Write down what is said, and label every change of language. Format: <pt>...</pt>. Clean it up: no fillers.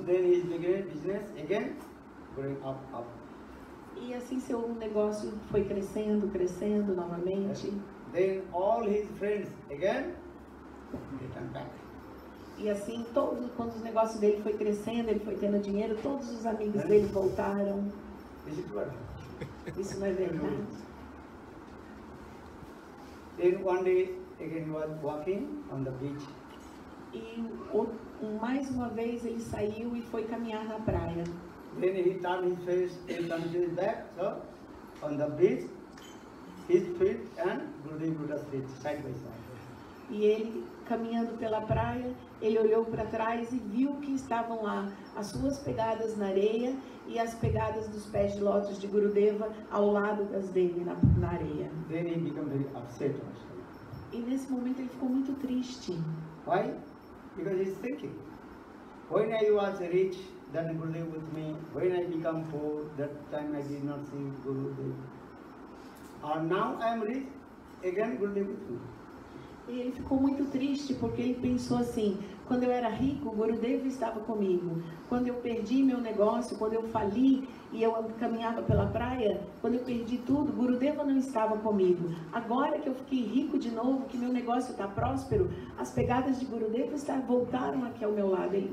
<en>Then he began business again, going up, up.</en> <pt>E assim seu negócio foi crescendo, crescendo novamente.</pt> <en>Then all his friends again, return back.</en> <pt>E assim, todo, quando o negócio dele foi crescendo, ele foi tendo dinheiro, todos os amigos dele voltaram. Isso não é verdade?</pt> <en>Then one day again he was walking on the beach.</en> <pt>E mais uma vez ele saiu e foi caminhar na praia.</pt> <en>Then he turned his face and turned his back, so on the beach, his feet and Gurudev Buddha's feet side by side.</en> <pt>E ele caminhando pela praia, ele olhou para trás e viu que estavam lá as suas pegadas na areia e as pegadas dos pés de lótus de Gurudeva ao lado das dele na areia.</pt> <en>Then he became very upset also.</en> <pt>E nesse momento ele ficou muito triste.</pt> <en>Why? Because he's thinking, when I was rich, then Gurudev with me. When I become poor, that time I did not see Gurudev. Or now I am rich, again Gurudev with me.</en> <pt>E ele ficou muito triste porque ele pensou assim: quando eu era rico, o Gurudev estava comigo. Quando eu perdi meu negócio, quando eu fali e eu caminhava pela praia, quando eu perdi tudo, o Gurudev não estava comigo. Agora que eu fiquei rico de novo, que meu negócio está próspero, as pegadas de Gurudev voltaram aqui ao meu lado.</pt>